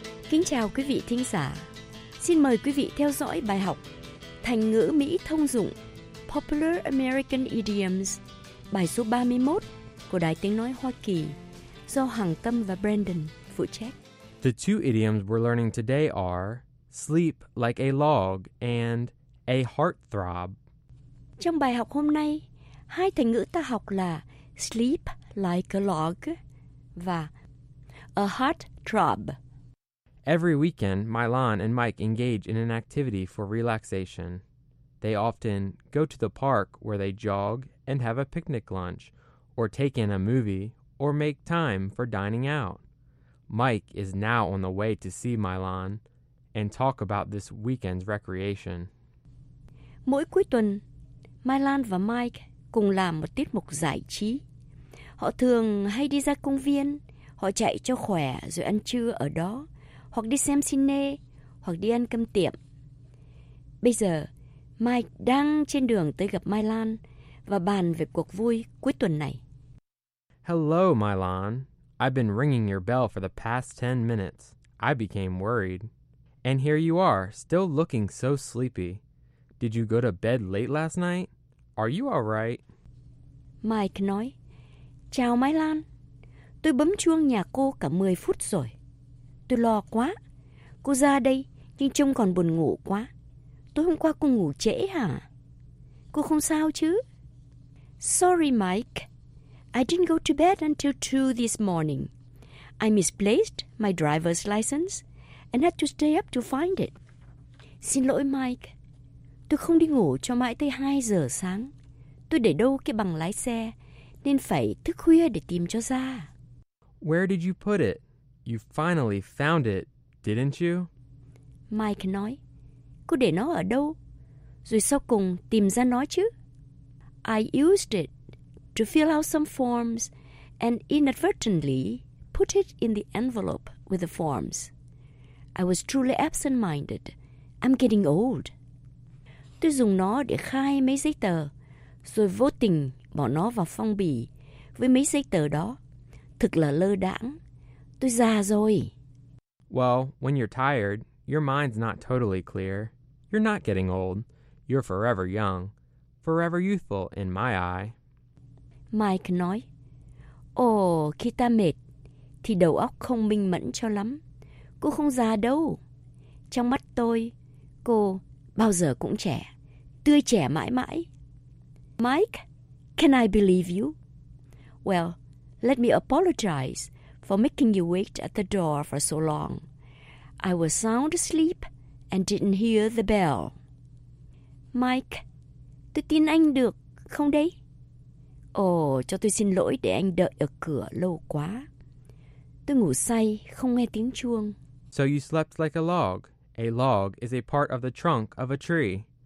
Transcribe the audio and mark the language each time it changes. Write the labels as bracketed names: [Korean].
[Vietnamese] Kính chào quý vị thính giả. Xin mời quý vị theo dõi bài học Thành ngữ Mỹ thông dụng Popular American Idioms, bài số 31 của Đài Tiếng Nói Hoa Kỳ do Hằng Tâm và Brandon phụ trách. [English] The two idioms we're learning today are sleep like a log and a heartthrob. [Vietnamese] Trong bài học hôm nay, hai thành ngữ ta học là [English] sleep like a log [Vietnamese] và [English] a heartthrob. Every weekend, Milan and Mike engage in an activity for relaxation. They often go to the park where they jog and have a picnic lunch, or take in a movie, or make time for dining out. Mike is now on the way to see Milan and talk about this weekend's recreation. [Vietnamese] Mỗi cuối tuần, Milan và Mike cùng làm một tiết mục giải trí. Họ thường hay đi ra công viên, họ chạy cho khỏe rồi ăn trưa ở đó, hoặc đi xem cine, hoặc đi ăn cơm tiệm. Bây giờ, Mike đang trên đường tới gặp Milan và bàn về cuộc vui cuối tuần này. [English] Hello, Milan. I've been ringing your bell for the past 10 minutes. I became worried. And here you are, still looking so sleepy. Did you go to bed late last night? Are you all right? [Vietnamese] Mike nói, chào Milan. Tôi bấm chuông nhà cô cả 10 phút rồi. Tôi lo quá. Cô ra đây, nhưng trông còn buồn ngủ quá. Tối hôm qua cô ngủ trễ hả? Cô không sao chứ? [English] Sorry, Mike. I didn't go to bed until 2 this morning. I misplaced my driver's license and had to stay up to find it. [Vietnamese] Xin lỗi, Mike. Tôi không đi ngủ cho mãi tới 2 giờ sáng. Tôi để đâu cái bằng lái xe, nên phải thức khuya để tìm cho ra. [English] Where did you put it? You finally found it, didn't you? [Vietnamese] Mike nói, cô để nó ở đâu? Rồi sau cùng tìm ra nó chứ? [English] I used it to fill out some forms and inadvertently put it in the envelope with the forms. I was truly absent-minded. I'm getting old. [Vietnamese] Tôi dùng nó để khai mấy giấy tờ, rồi vô tình bỏ nó vào phong bì với mấy giấy tờ đó. Thực là lơ đãng. Tôi già rồi. [English] Well, when you're tired, your mind's not totally clear. You're not getting old. You're forever young. Forever youthful in my eye. [Vietnamese] Mike nói, Ồ, khi ta mệt, thì đầu óc không minh mẫn cho lắm. Cô không già đâu. Trong mắt tôi, cô bao giờ cũng trẻ. Tươi trẻ mãi mãi. [English] Mike, can I believe you? Well, let me apologize for making you wait at the door for so long. I was sound asleep and didn't hear the bell. [Vietnamese] Mike, tôi tin anh được, không đấy? Cho tôi xin lỗi để anh đợi ở cửa lâu quá. Tôi ngủ say, không nghe tiếng chuông. [English] So you slept like a log. A log is a part of the trunk of a tree.